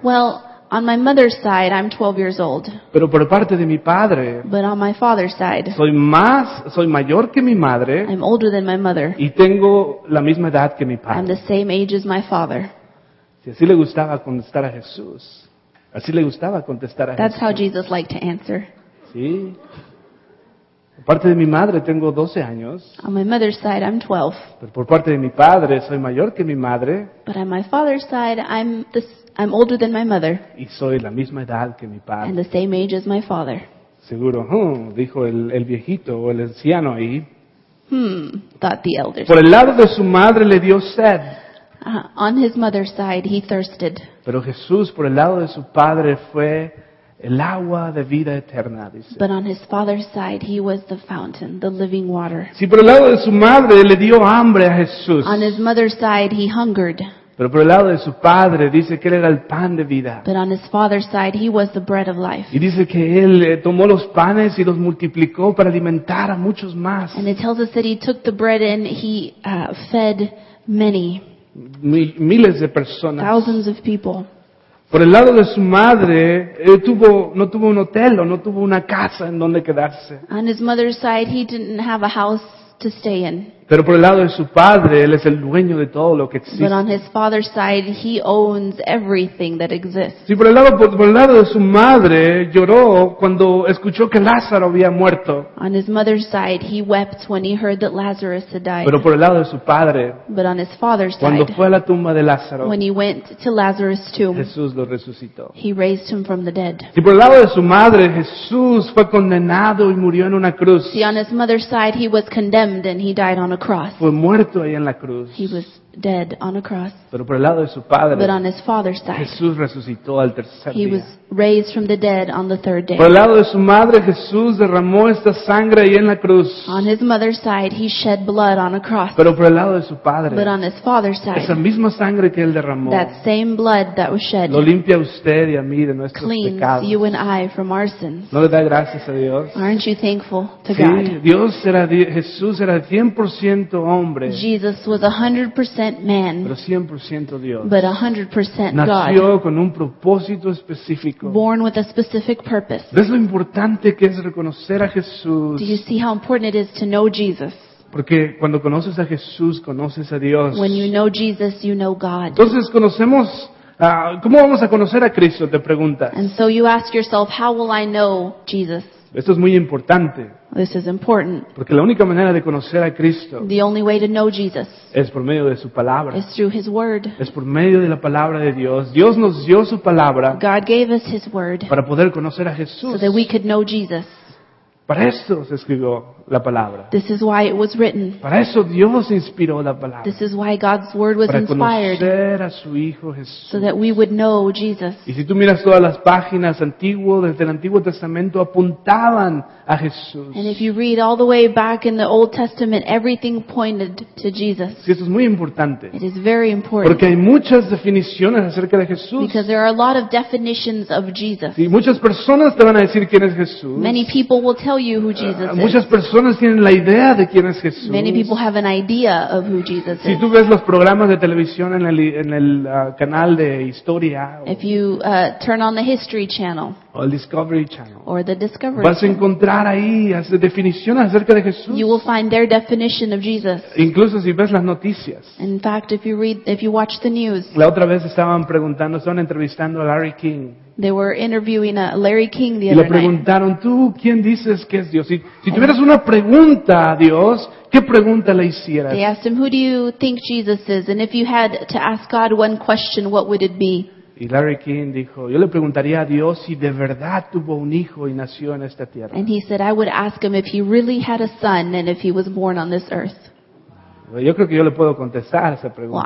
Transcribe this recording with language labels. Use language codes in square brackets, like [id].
[en] Well, on my mother's side, I'm 12 years old. [es] Pero por parte de mi padre, [en] but on my father's side, [es] soy mayor que mi madre. [en] I'm older than my mother. [es] Y tengo la misma edad que mi padre. [en] I'm the same age as my father. [es] Si así le gustaba contestar a Jesús. Así le gustaba contestar a Jesús. [en] That's how Jesus liked to answer. [es] Sí. Por parte de mi madre tengo 12 años. [en] On my mother's side, I'm 12. [es] Pero por parte de mi padre soy mayor que mi madre. [en] But on my father's side, I'm older than my mother. [es] Y soy la misma edad que mi padre. [en] And the same age as my father. [es] Seguro, dijo el viejito o el anciano ahí. [en] Thought the elder. [es] Por el lado de su madre le dio sed. [en] On his mother's side, he thirsted. [es] Pero Jesús, por el lado de su padre, fue el agua de vida eterna, dice. [en] But on his father's side, he was the fountain, the living water. [es] Si por el lado de su madre le dio hambre a Jesús. [en] On his mother's side, he hungered. [es] Pero por el lado de su padre, dice que él era el pan de vida. [en] But on his father's side, he was the bread of life. [es] Y dice que él tomó los panes y los multiplicó para alimentar a muchos más. [en] And it tells us that he took the bread and he fed many. [es] Miles de personas. [en] Thousands of people. [es] Por el lado de su madre, no tuvo un hotel o no tuvo una casa en donde quedarse. [en] On his mother's side, he didn't have a house to stay in. [es] Pero por el lado de su padre, él es el dueño de todo lo que existe. [en] But on his father's side, he owns everything that exists. [es] Sí, por el lado de su madre, lloró cuando escuchó que Lázaro había muerto. [en] On his mother's side, he wept when he heard that Lazarus had died. [es] Pero por el lado de su padre, [en] but on his father's side, [es] cuando fue a la tumba de Lázaro, [en] when he went to Lazarus' tomb, [es] Jesús lo resucitó. [en] He raised him from the dead. [es] Sí, por el lado de su madre, Jesús fue condenado y murió en una cruz. [en] See, on his mother's side, he was condemned and he died on a cross. [es] Fue muerto ahí en la cruz. [en] He was dead on a cross. [es] Pero por el lado de su padre, [en] but on his father's side, [es] Jesús resucitó al tercer día. [en] He was raised from the dead on the third day. [es] Por el lado de su madre, Jesús derramó esta sangre ahí en la cruz. [en] On his mother's side, he shed blood on a cross. [es] Pero por el lado de su padre, [en] but on his father's side, [es] esa misma sangre que él derramó, [en] that same blood that was shed, [es] lo limpia usted y a mí de nuestros [en] cleans [es] pecados. [en] Cleans you and I from our sins. [es] ¿No le da gracias a Dios? [en] Aren't you thankful to [es] sí, [en] God? [es] Dios era, Jesús era 100% hombre. [en] Jesus was 100% man. [es] Pero 100% Dios. [en] But 100% [es] nació [en] God. [es] Nació con un propósito específico. [en] Born with a specific purpose. [es] ¿Ves lo importante que es reconocer a Jesús? [en] Do you see how important it is to know Jesus? [es] Porque cuando conoces a Jesús, conoces a Dios. [en] When you know Jesus, you know God. [es] Entonces conocemos, ¿cómo vamos a conocer a Cristo? Te preguntas. [en] And so you ask yourself, how will I know Jesus? [es] Esto es muy importante. [en] This is important. [es] Porque la única manera de conocer a Cristo, [en] the only way to know Jesus, [es] es por medio de su palabra. [en] Is through his word. [es] Es por medio de la palabra de Dios. Dios nos dio su palabra. [en] God gave us his word. [es] Para poder conocer a Jesús. [en] So that we could know Jesus. [es] Para esto se escribió la palabra. [en] This is why it was written. [es] Para eso Dios inspiró la palabra. [en] This is why God's word was inspired. [es] Para conocer a su hijo Jesús. [en] So that we would know Jesus. [es] Y si tú miras todas las páginas antiguas desde el Antiguo Testamento apuntaban a Jesús. [en] And if you read all the way back in the Old Testament, everything pointed to Jesus. [es] Sí, eso es muy importante. [en] It is very important. [es] Porque hay muchas definiciones acerca de Jesús. [en] Because there are a lot of definitions of Jesus. [es] Y muchas personas te van a decir quién es Jesús. [en] Many people will tell you who Jesus is. [es] Muchas personas tienen la idea de quién es Jesús. [en] Many people have an idea of who Jesus is. [es] Si tú ves los programas de televisión en el canal de historia, [en] if you turn on the History Channel, [es] o el Discovery Channel, [en] or the Discovery, [es] vas a encontrar ahí las definiciones acerca de Jesús. [en] You will find their definition of Jesus. [es] Incluso si ves las noticias. [en] In fact, if you watch the news. [es] La otra vez estaban entrevistando a Larry King. [en] They were interviewing Larry King the other night. [es] Y le preguntaron, ¿tú quién dices que es Dios? Si tuvieras una pregunta a Dios, ¿qué pregunta le hicieras? [en] They asked him, who do you think Jesus is? And if you had to ask God one question, what would it be? [es] Y Larry King dijo, yo le preguntaría a Dios si de verdad tuvo un hijo y nació en esta tierra. [en] And he said, I would ask him if he really had a son and if he was born on this earth. [es] Yo creo que yo le puedo contestar esa pregunta.